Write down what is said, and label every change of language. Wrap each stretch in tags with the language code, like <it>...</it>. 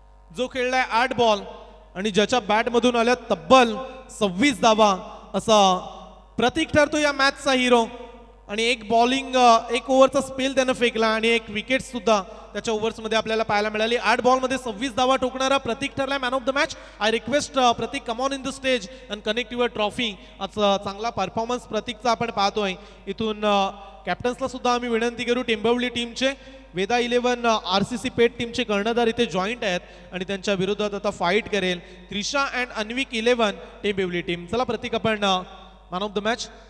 <mr>जो खेळलाय 8 बॉल आणि ज्याच्या बॅटमधून आल्या तब्बल 26 धावा असा प्रतीक ठरतो या मॅचचा हिरो. आणि एक बॉलिंग एक ओव्हरचा स्पेल त्यानं फेकला आणि एक विकेट सुद्धा त्याच्या ओव्हर्स मध्ये आपल्याला पाहायला मिळाली. 8 बॉलमध्ये 26 धावा टोकणारा प्रतीक ठरलाय man of the match.</mr> <en>I request Prateek come on in the stage and connect your trophy.</en> <mr>असा चांगला परफॉर्मन्स प्रतीकचा आपण पाहतोय. इथून कॅप्टन्सला सुद्धा आम्ही विनंती करू. टेंबिवली टीमचे वेदा इलेव्हन आरसीसी पेट टीमचे कर्णधार इथे जॉईंट आहेत आणि त्यांच्या विरोधात आता फाईट करेल त्रिशा अँड अन्विक इलेव्हन टेंबिवली टीम. चला प्रतीक आपण मॅन ऑफ द मॅच.</mr>